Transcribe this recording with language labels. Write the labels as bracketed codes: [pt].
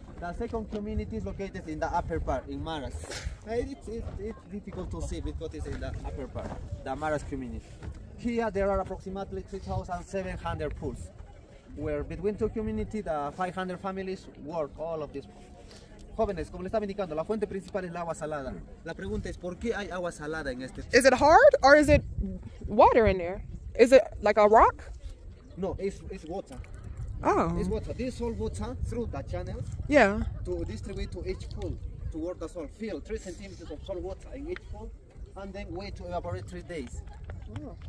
[en] The second community is located in the upper part, in Maras. It's difficult to see because it's in the upper part, the Maras community. Here, there are approximately 3,700 pools, where between two communities, the 500 families work all of this. [es] Jóvenes, como le estaba indicando, la fuente principal es la agua salada. La pregunta es, ¿por qué hay agua salada en este? [en] Is it hard or is it water in there? Is it like a rock? No, it's water. Oh. It's water. This salt water through the channel. Yeah. To distribute to each pool toward the salt. Fill 3 centimeters of salt water in each pool and then wait to evaporate 3 days. Oh.